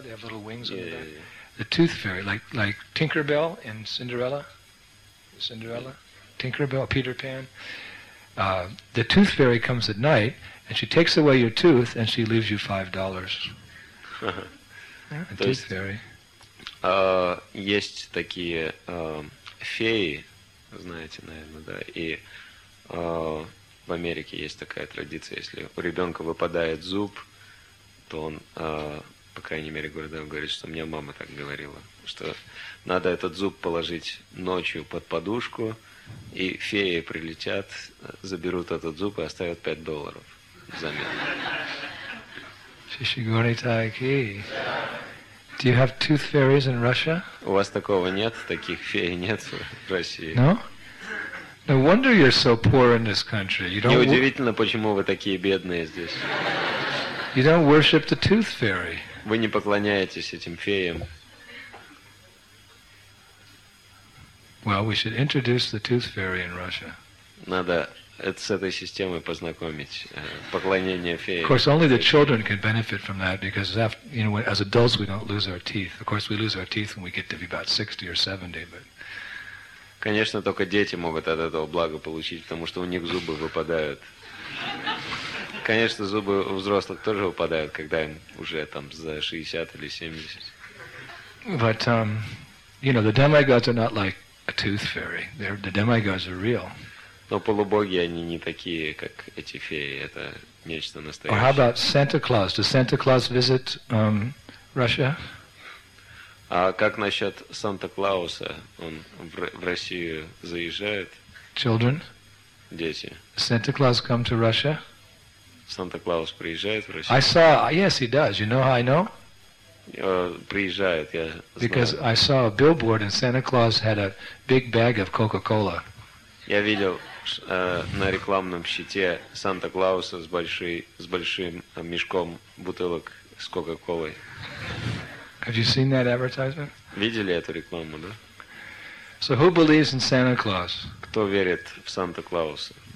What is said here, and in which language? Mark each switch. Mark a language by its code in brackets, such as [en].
[en] They have little wings on the back. Yeah. The tooth fairy, like Tinkerbell in Cinderella, Tinkerbell, Peter Pan. The tooth fairy comes at night, and she takes away your tooth, and she leaves you $5. Yeah, tooth fairy. [ru] Есть такие феи, знаете, наверное, да, и в Америке есть такая традиция, если у ребенка выпадает зуб, то он, по крайней мере, говорит, что мне мама так говорила, что надо этот зуб положить ночью под подушку, и феи прилетят, заберут этот зуб и оставят $5 взамен. [en] Do you have tooth fairies in Russia? [ru] У вас такого нет, таких фей нет в России. [en] No? No wonder you're so poor in this country. You don't. [ru] Неудивительно, почему вы такие бедные здесь. [en] You don't worship the tooth fairy. [ru] Вы не поклоняетесь этим феям. [en] Well, we should introduce the tooth fairy in Russia. [ru] Надо это с этой системой познакомить, поклонение феям. [en] Of course, only the children can benefit from that because, you know, as adults we don't lose our teeth. Of course, we lose our teeth when we get to be about 60 or 70, but. [ru] Конечно, только дети могут от этого благо получить, потому что у них зубы выпадают. Конечно, зубы у взрослых тоже выпадают, когда им уже там за 60 или 70. [en] But, you know, the demigods are not like a tooth fairy. The demigods are real. [ru] Но полубоги, они не такие, как эти феи. Это нечто настоящее. [en] Or how about Santa Claus? Does Santa Claus visit Russia? [ru] А как насчет Санта-Клауса? Он в Россию заезжает? [en] Children? [ru] Дети. [en] Santa Claus come to Russia? [ru] Санта-Клаус приезжает в Россию? [en] I saw, yes, he does. You know how I know? [ru] Приезжает, я знаю. [en] Because I saw a billboard and Santa Claus had a big bag of Coca-Cola. [ru] Я видел на рекламном щите Санта-Клауса с большим мешком бутылок с Кока-Колой. [en] Have you seen that advertisement? [ru] Видели эту рекламу, да? [en] So who believes in Santa Claus? [ru] Кто верит в Санта-Клауса?